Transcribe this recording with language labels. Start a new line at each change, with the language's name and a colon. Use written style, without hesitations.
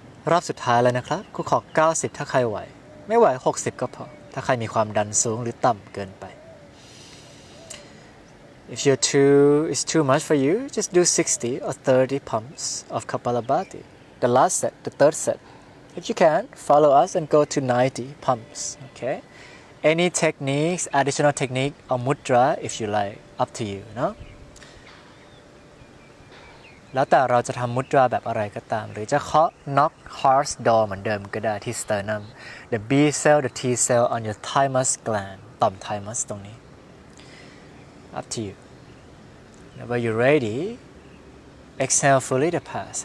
Thai: รอบสุดท้ายแล้วนะครับคุณขอ90ถ้าใครไหวไม่ไหว60ก็พอถ้าใครมีความดันสูงหรือต่ำเกินไป
English: If you're too much for you, just do 60 or 30 pumps of Kapalabhati. The last set, the third set. If you can, follow us and go to 90 pumps, okay? Any techniques, additional technique, or mudra, if you like, up to you, no?
Thai: แล้วแต่เราจะทำมุดราแบบอะไรก็ตามหรือจะเคาะ
English: knock heart's door
Thai: เหมือนเดิมก็ได้ที่ sternum
English: the B cell, the T cell on your thymus gland
Thai: ต่อม thymus ตรงนี้
English: up to you. Now, are you ready? Exhale fully the past.